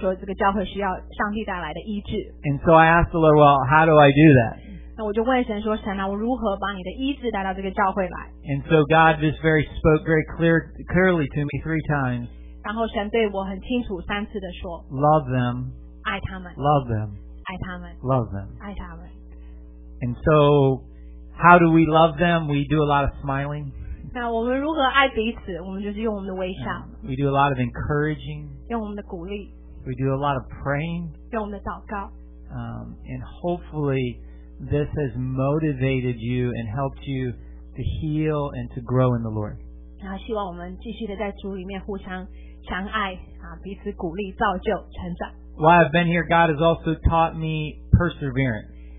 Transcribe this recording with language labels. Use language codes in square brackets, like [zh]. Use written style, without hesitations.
[zh] 那我觉得说，其实那个时候教会好像有很多的伤，所以呢，我听到神对我说，这个教会需要上帝带来的医治。 [en] And so I asked the Lord, well, how do I do that? [zh] 那我就问神说，神啊，我如何把你的医治带到这个教会来？ [en] And so God just very spoke very clearly to me three times. [zh] 然后神对我很清楚三次的说， [en] Love them. [zh] 爱他们。 [en] Love them. [zh] 爱他们。 [en] Love them. [zh] 爱他们。 [en] And so how do we love them? We do a lot of smiling. [zh] 那我们如何爱彼此？我们就是用我们的微笑。 [en] We do a lot of encouraging. [zh] 用我们的鼓励。 [en] We do a lot of praying. [zh] 用我们的祷告。 [en] And hopefully this has motivated you and helped you to heal and to grow in the Lord. [zh] 希望我们继续的在主里面互相相爱，彼此鼓励、造就、成长。 [en] While I've been here, God has also taught me perseverance.